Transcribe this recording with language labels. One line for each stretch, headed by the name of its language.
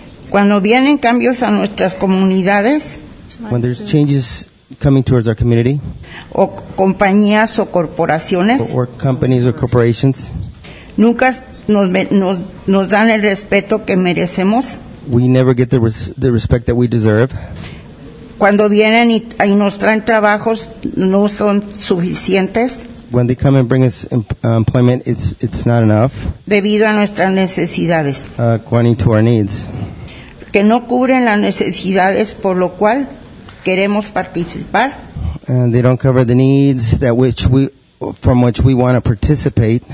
Spanish: Cuando vienen cambios a nuestras comunidades.
English: When there's changes coming towards our community.
Spanish: O compañías o corporaciones.
English: Or companies or corporations.
Spanish: Nunca nos dan el respeto que merecemos.
English: We never get the respect that we deserve.
Spanish: Cuando vienen y nos traen trabajos no son suficientes.
English: When they come and bring us employment, it's not enough.
Spanish: Debido a nuestras necesidades.
English: According to our needs.
Spanish: Que no cubren las necesidades por lo cual queremos participar.
English: And they don't cover the needs that from which we want to participate.